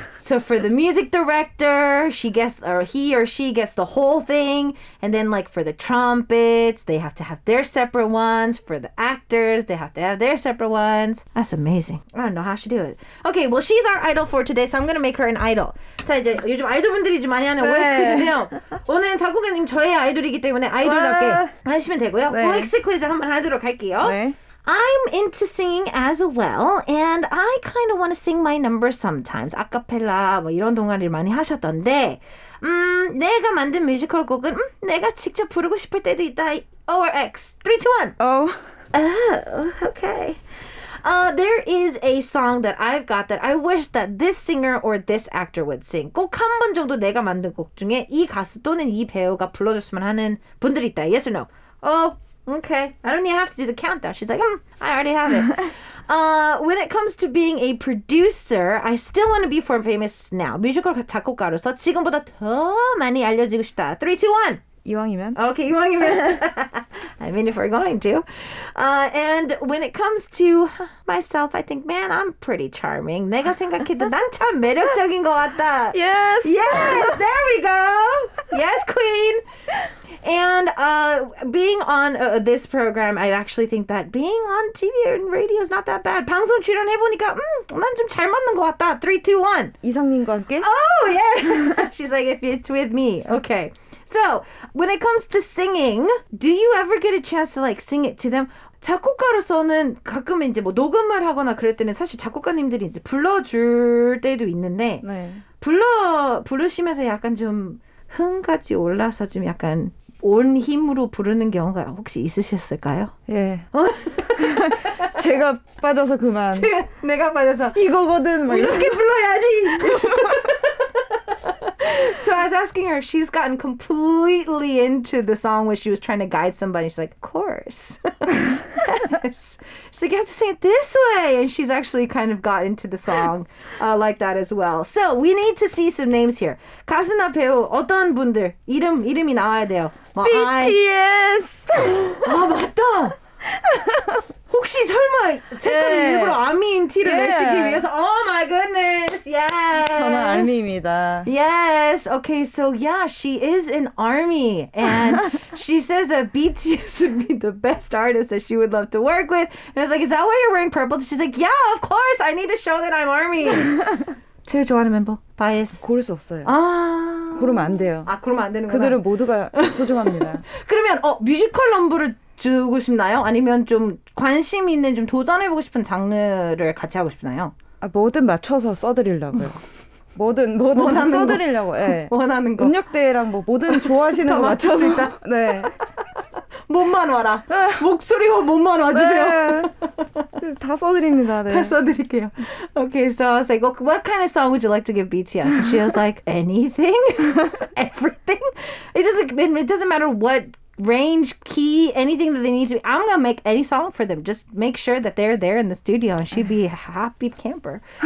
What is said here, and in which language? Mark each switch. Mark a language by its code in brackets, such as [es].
[en] So for the music director, she gets, or he or she gets the whole thing. And then like for the trumpets, they have to have their separate ones. For the actors, they have to have their separate ones. That's amazing. I don't know how she do it. Okay, well, she's our idol for today, so I'm going to make her an idol. [ko] 자, 이제 요즘 아이돌분들이 좀 많이 하는 OX 퀴즈인데요. 오늘은 작곡가님 저의 아이돌이기 때문에 아이돌답게 하시면 되고요. 네. OX 퀴즈 한번 하도록 할게요. 네. [en] I'm into singing as well, and I kind of want to sing my number sometimes. [ko] 아카펠라 뭐 이런 동아리를 많이 하셨던데, 내가 만든 뮤지컬 곡은 내가 직접 부르고 싶을 때도 있다. [en] O or X? 3, 2, 1. O. Oh, okay. There is a song that I've got that I wish that this singer or this actor would sing. [ko] 꼭 한 번 정도 내가 만든 곡 중에 이 가수 또는 이 배우가 불러줬으면 하는 분들이 있다. [en] Yes or no? Oh. Okay, I don't even have to do the countdown. She's like, I already have it. when it comes to being a producer, I still want to be form famous now. [ko] 뮤지컬 작곡가로서 지금보다 더 많이 알려지고 싶다. [en] 3, 2, 1. [ko] 이왕이면. [en] Okay, [ko] 이왕이면. [en] I mean, if we're going to. And when it comes to myself, I think, man, I'm pretty charming. [ko] 내가 생각해도 난 참 매력적인 것 같다. [en] Yes. Yes, there we go. Yes, queen. And being on this program, I actually think that being on TV and radio is not that bad. [ko] 방송 출연해보니까 난 좀 잘 맞는 것 같다. [en] 3, 2, 1. [ko] 이상님과 함께? [en] Oh, yeah. She's like, if it's with me. Okay. So, when it comes to singing, do you ever get a chance to like sing it to them? [ko] 작곡가로서는 가끔 이제 뭐 녹음을 하거나 그럴 때는 사실 작곡가님들이 이제 불러줄 때도 있는데 네. 부르시면서 약간 좀 흥까지 올라서 좀 약간 온 힘으로 부르는 경우가 혹시 있으셨을까요? 예. 제가 빠져서 그만. 내가 빠져서. 이거거든. 이렇게 불러야지. [en] So I was asking her if she's gotten completely into the song when she was trying to guide somebody. She's like, of course. Yes. She's like, you have to sing it this way. And she's actually kind of got into the song like that as well. So we need to see some names here. [ko] 가수나 배우 어떤 분들 이름이 나와야 돼요. 뭐, BTS. 아 맞다. 혹시 설마 색깔이 yeah. 일부러 아미인 티를 yeah. 내시기 위해서 [en] Oh my goodness, yes [ko] 저는 아미입니다 [en] Yes, okay, so yeah, she is an army And she says that BTS would be the best artist that she would love to work with And I was like, is that why you're wearing purple? She's like, yeah, of course, I need to show that I'm army [ko] 제일 좋아하는 멤버, [en] bias [ko] 고를 수 없어요 아 고르면 안 돼요 아, 고르면 안 되는구나 그들은 모두가 소중합니다 그러면 뮤지컬 넘버를 주고 싶나요? 아니면 좀 관심 있는 좀 도전해보고 싶은 장르를 같이 하고 싶나요? 아, 뭐든 맞춰서 써드리려고요. 뭐든 써드리려고. 거. 네. 원하는 거. 음역대랑 뭐든 좋아하시는 거 맞춰서. 있다. 네. 몸만 와라. 네. 목소리와 몸만 와주세요. 네. 다 써드립니다. 네. 다 써드릴게요. [en] Okay, so I was like, well, what kind of song would you like to give BTS? And she was like, anything? Everything? It doesn't matter what range, key, anything that they need to be. I'm gonna make any song for them. Just make sure that they're there in the studio and she'd be a happy camper.